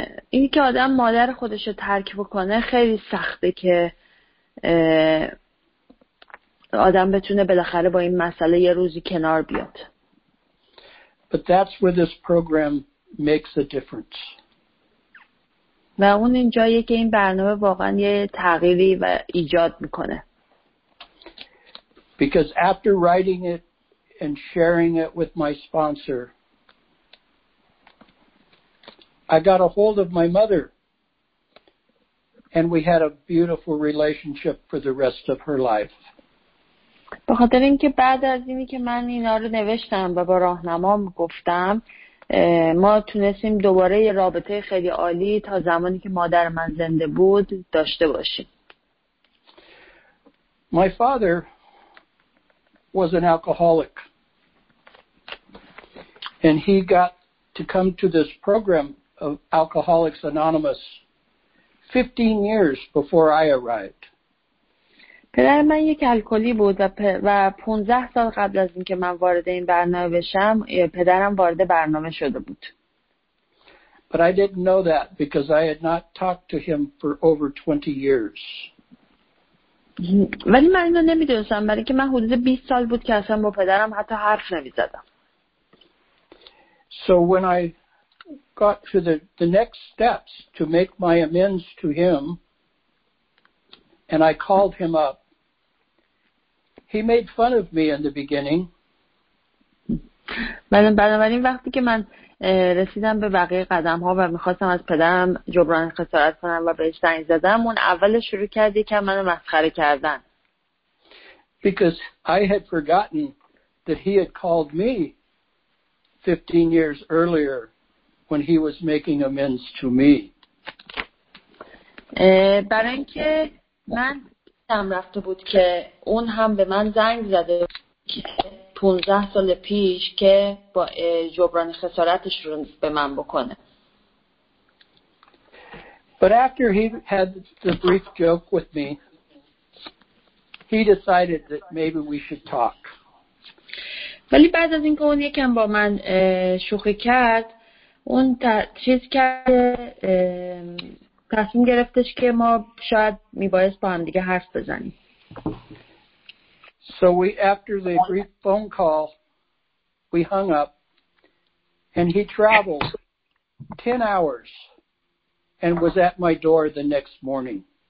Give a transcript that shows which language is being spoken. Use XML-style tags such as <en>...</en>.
<fa>اینی که آدم مادر خودش رو ترک بکنه خیلی سخته که آدم بتونه بالاخره با این مسئله یه روزی کنار بیاد.</fa> <en>But that's where this program makes a difference.</en> <fa>و اون اینجاییه که این برنامه واقعا یه تغییری و ایجاد میکنه.</fa> <en>Because after writing it and sharing it with my sponsor, I got a hold of my mother and we had a beautiful relationship for the rest of her life.</en> <fa>به خاطر اینکه بعد از اینی که من اینا رو نوشتم و با راهنمام گفتم ما تونستیم دوباره یه رابطه خیلی عالی تا زمانی که مادر من زنده بود داشته باشیم.</fa> <en>My father was an alcoholic and he got to come to this program of Alcoholics Anonymous 15 years before I arrived.</en> <fa>پدر من یک الکلی بود و 15 سال قبل از اینکه من وارد این برنامه بشم پدرم وارد برنامه شده بود.</fa> <en>But I didn't know that because I had not talked to him for over 20 years.</en> <fa>ولی من اینو نمی‌دونستم برای اینکه من حدود 20 سال بود که اصلا با پدرم حتی حرف نمی‌زدم.</fa> <en>So when I got to the next steps to make my amends to him and I called him up, he made fun of me in the beginning.</en> <fa>بنابراین وقتی که من رسیدم به بقیه قدم ها و میخواستم از پدرم جبران خسارت کنم و بهش زنگ زدم اون اول شروع کرد یکم منو مسخره کردن.</fa> <en>Because I had forgotten that he had called me 15 years earlier when he was making amends to me.</en> <fa>برای اینکه من یادم رفته بود که اون هم به من زنگ زده 15 سال پیش که با جبران خسارتش رو به من بکنه.</fa> <en>But after he had the brief joke with me, he decided that maybe we should talk.</en> <fa>ولی بعد از اینکه اون یکم با من شوخی کرد، اون چیز کرد، تصمیم گرفتش که ما شاید میبایست با هم دیگه حرف بزنیم.</fa> <en>So we, after the brief phone call, we hung up, and he traveled 10 hours and was at my door the next morning.</en>